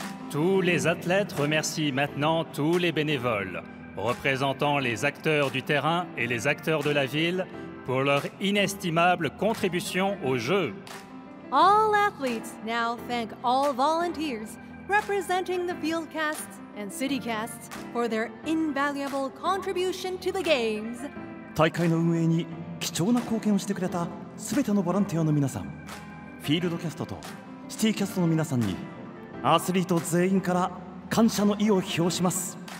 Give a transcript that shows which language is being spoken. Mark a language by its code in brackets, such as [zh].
[fr] Tous les athlètes remercient maintenant tous les bénévoles, représentant les acteurs du terrain et les acteurs de la ville, pour leur inestimable contribution aux Jeux. [en] All athletes now thank all volunteers representing the field casts and city casts for their invaluable contribution to the Games. [ja] 大会の運営に貴重な貢献をしてくれた全てのボランティアの皆さん、フィールドキャストとシティキャストの皆さんに、アスリート全員から感謝の意を表します。